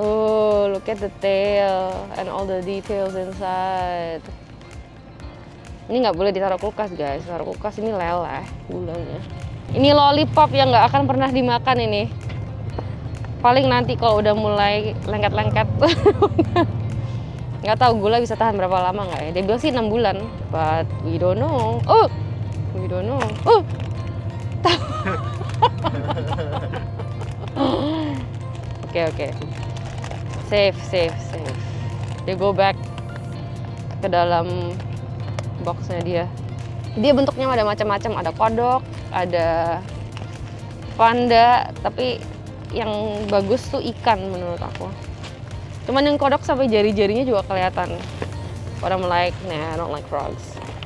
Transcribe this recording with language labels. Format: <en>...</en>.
<en>Oh, look at the tail and all the details inside.</en> <id>Ini nggak boleh ditaruh kulkas, guys. Taruh kulkas ini leleh, gulanya. Ini lollipop yang nggak akan pernah dimakan ini. Paling nanti kalau udah mulai lengket-lengket. Nggak tahu gula bisa tahan berapa lama nggak ya. Dia bilang sih 6 bulan.</id> <en>But we don't know. Oh! We don't know. Oh! Oke, oke. Okay, okay. Safe, safe, safe.</en> <id>Dia</id> <en>go back</en> <id>ke dalam boxnya dia. Dia bentuknya ada macam-macam, ada kodok, ada panda, tapi yang bagus tuh ikan menurut aku. Cuman yang kodok sampai jari-jarinya juga kelihatan.</id> <en>What I'm like, nah, I don't like frogs.</en>